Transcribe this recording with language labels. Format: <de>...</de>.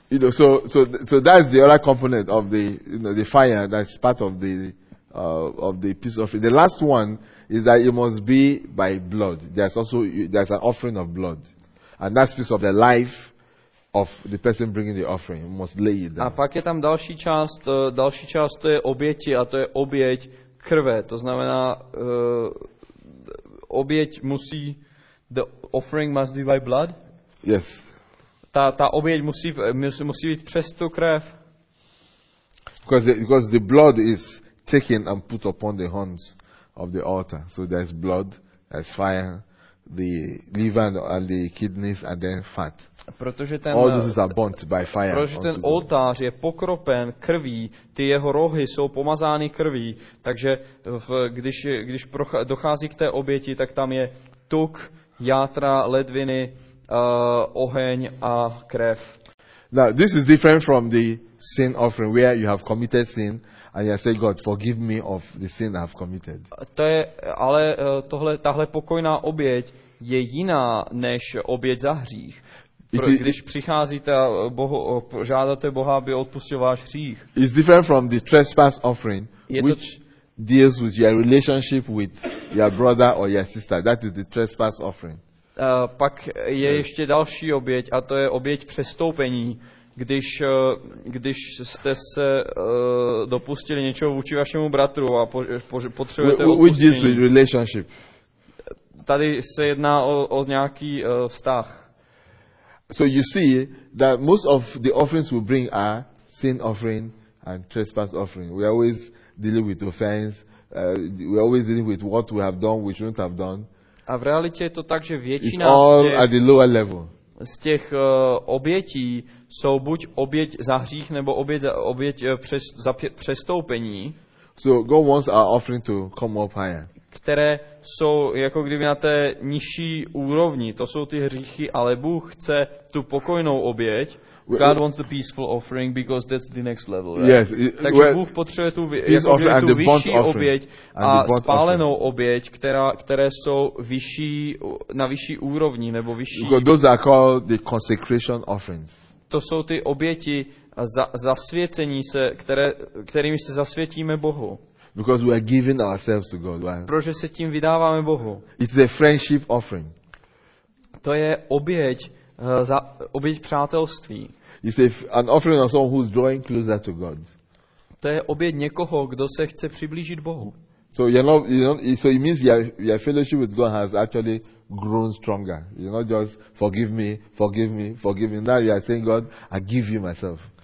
<en>So that's the other component of the fire that's part of the piece of it. The last one is that it must be by blood. There's an offering of blood. And that's piece of the life of the person bringing the offering. You must lay it down.</en> <cs>A pak je tam další část, to je oběti, a to je oběť krve. To znamená, oběť musí,</cs> <en>the offering must be by blood? Yes.</en> <cs>Ta oběť musí být přes tu krev.</cs> <en>Because the blood is taken and put upon the horns of the altar. So there's blood, there's fire, the liver and the kidneys and then fat. All those are burnt by fire.</en> <cs>Protože ten oltář je pokropen krví, ty jeho rohy jsou pomazány krví, takže když dochází k té oběti, tak tam je tuk, játra, ledviny, oheň a krev.</cs> <en>Now, this is different from the sin offering where you have committed sin and you say, God, forgive me of the sin I have committed.</en> <cs>To je, ale tohle, tahle pokojná oběť je jiná než oběť za hřích. Když přicházíte a Bohu, žádáte Boha, aby odpustil váš hřích.</cs> <en>It's different from the trespass offering, which deals with your relationship with your brother or your sister. That is the trespass offering.</en> <cs>Pak je ještě další oběť a to je oběť přestoupení, když jste se dopustili něčeho vůči vašemu bratru a potřebujete odpustení.</cs> <en>Which deals with relationship?</en> <cs>Tady se jedná o nějaký vztah.</cs> <en>So you see that most of the offerings we bring are sin offering and trespass offering. We always deal with offense. We always deal with what we have done, which we don't have done.</en> <cs>A v realitě je to tak, že většina</cs> <en>it's all těch, at the lower level.</en> <cs>Z těch obětí jsou buď oběť za hřích nebo oběť za přestoupení.</cs> <en>So God wants our offering to come up higher.</en> <cs>Které jsou jako kdyby na té nižší úrovni, to jsou ty hříchy, ale Bůh chce tu pokojnou oběť.</cs> <en>God wants the peaceful offering because that's the next level, right? Yes.</en> <cs>Takže Bůh potřebuje tu, jako kdyby, tu vyšší</cs> <en>offering.</en> <cs>Oběť a spálenou oběť, které jsou vyšší, na vyšší úrovni nebo vyšší.</cs> <en>Those are called the consecration offerings.</en> <cs>To jsou ty oběti zasvěcení se, kterými se zasvětíme Bohu.</cs> <en>Because we are giving ourselves to God. Right?</en> <cs>Protože se tím vydáváme Bohu.</cs> <en>It's a friendship offering.</en> <cs>To je oběť za oběť přátelství.</cs> <en>It's an offering of someone who's drawing closer to God.</en> <cs>To je oběť někoho, kdo se chce přiblížit Bohu.</cs> <en>So so it means your fellowship with God has actually grown stronger. You're not just forgive me. Now you are saying, God, I give you myself.</en>